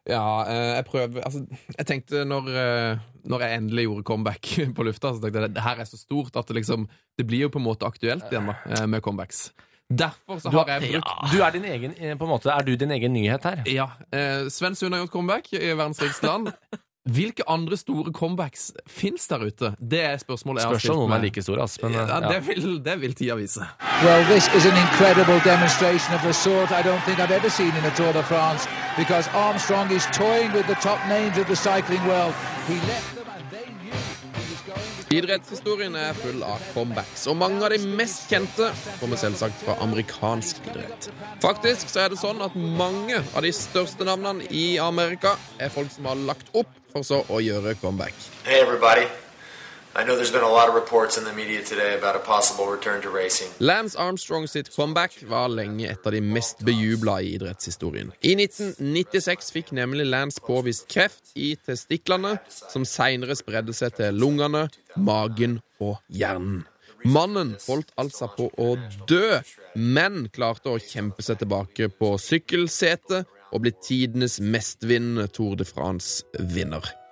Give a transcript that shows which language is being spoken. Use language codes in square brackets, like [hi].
[no] Ja, jeg prøver, altså, jeg tenkte når, når jeg endelig gjorde comeback på lufta, så tenkte jeg at det her er så stort at det liksom, det blir jo på en måte aktuelt igjen da, med comebacks. Derfor så har jeg brukt Du er din egen, på en måte, er du din egen nyhet her? Ja, Sven Sund har gjort comeback i verdens rikeste land. Hvilke andre store comebacks finnes der ute? Det er spørsmålet jeg har stilt. Spørsmålet er like store, Aspen. Ja, det vil tida vise. [en] Well, this is an incredible demonstration of the sort I don't think I've ever seen in a Tour de France, because Armstrong is toying with the top names of the cycling world. He left them and they knew. [no] Idrettshistorien er full av comebacks, og mange av de mest kjente kommer selvsagt fra amerikansk idrett. Faktisk så er det sånn at mange av de største navnene i Amerika er folk som har lagt opp for så å gjøre comeback. [en] Hey everybody. I know there's been a lot of reports in the media today about a possible return to racing. [no] Lance Armstrong sitt comeback var lenge et av de mest bejublet i idrettshistorien. I 1996 fikk nemlig Lance påvist kreft i testiklene, som senere spredde seg til lungene, magen og hjernen. Mannen holdt altså på å dø, men klarte å kjempe seg tilbake på sykkelsetet og bli tidenes mestvinnende Tour de France-vinner.